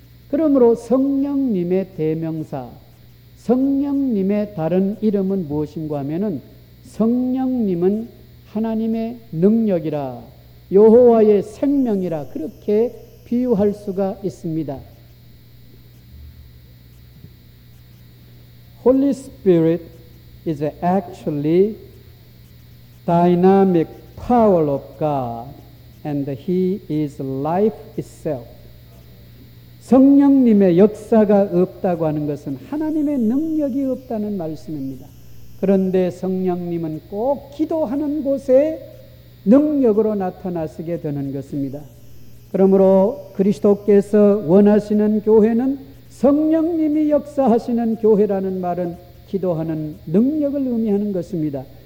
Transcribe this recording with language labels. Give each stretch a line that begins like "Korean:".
Korean: 그러므로 성령님의 대명사, 성령님의 다른 이름은 무엇인가 하면은 성령님은 하나님의 능력이라, 여호와의 생명이라 그렇게 비유할 수가 있습니다.
English: Holy Spirit is actually dynamic power of God. And he is life itself.
Korean: 성령님의 역사가 없다고 하는 것은 하나님의 능력이 없다는 말씀입니다. 그런데 성령님은 꼭 기도하는 곳에 능력으로 나타나시게 되는 것입니다. 그러므로 그리스도께서 원하시는 교회는 성령님이 역사하시는 교회라는 말은 기도하는 능력을 의미하는 것입니다.